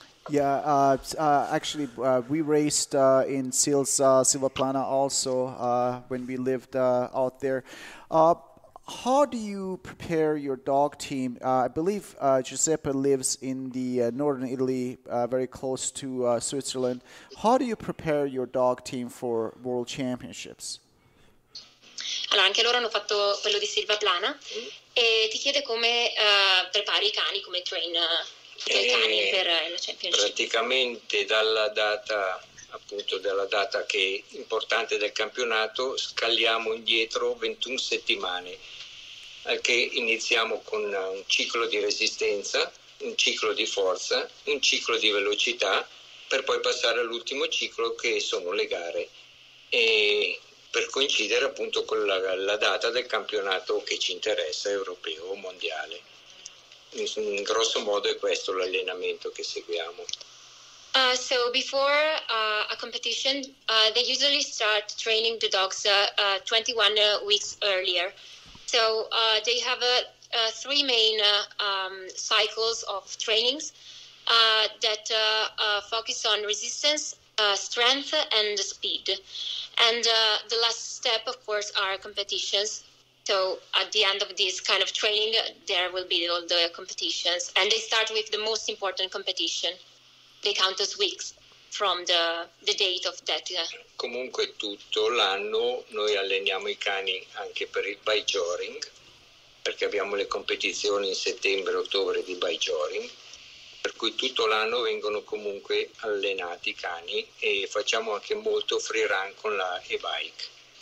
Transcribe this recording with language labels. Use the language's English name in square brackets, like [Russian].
[English] Yeah, we raced in Silva Plana also when we lived out there. How do you prepare your dog team? I believe Giuseppe lives in the northern Italy, very close to Switzerland. How do you prepare your dog team for world championships? [Italian] Allora, anche loro hanno fatto quello di Silva Plana. E ti chiede come prepari i cani, come train i cani per la championship. Praticamente dalla data, appunto, dalla data che è importante del campionato, scaliamo indietro 21 settimane. Che iniziamo con un ciclo di resistenza, un ciclo di forza, un ciclo di velocità, per poi passare all'ultimo ciclo che sono le gare, e per coincidere appunto con la data del campionato che ci interessa, europeo o mondiale. In grosso modo è questo l'allenamento che seguiamo. [English] So before a competition, they usually start training the dogs 21 weeks earlier. So they have three main cycles of trainings that focus on resistance, strength, and speed. And the last step, of course, are competitions. So at the end of this kind of training, there will be all the competitions. And they start with the most important competition. They count as weeks from the date of that. [Italian] Comunque tutto l'anno noi alleniamo i cani anche per il bike joring, perché abbiamo le competizioni in settembre-ottobre di bike joring, per cui tutto l'anno vengono comunque allenati i cani e facciamo anche molto free run con la e-bike.